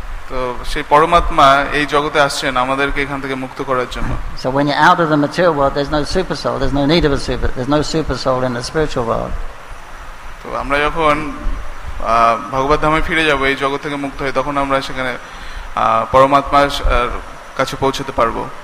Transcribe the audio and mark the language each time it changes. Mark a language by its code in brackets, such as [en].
[bn] তো সেই পরমাত্মা এই জগতে আসছেন আমাদেরকে এখান থেকে মুক্ত করার জন্য. [en] So when you're out of the material world, there's no super soul. There's no need of a super. There's no super soul in the spiritual world. [bn] তো আমরা যখন ভগবত ধামে ফিরে যাবো এই জগৎ থেকে মুক্ত হয়ে, তখন আমরা সেখানে পরমাত্মার কাছে পৌঁছতে পারবো.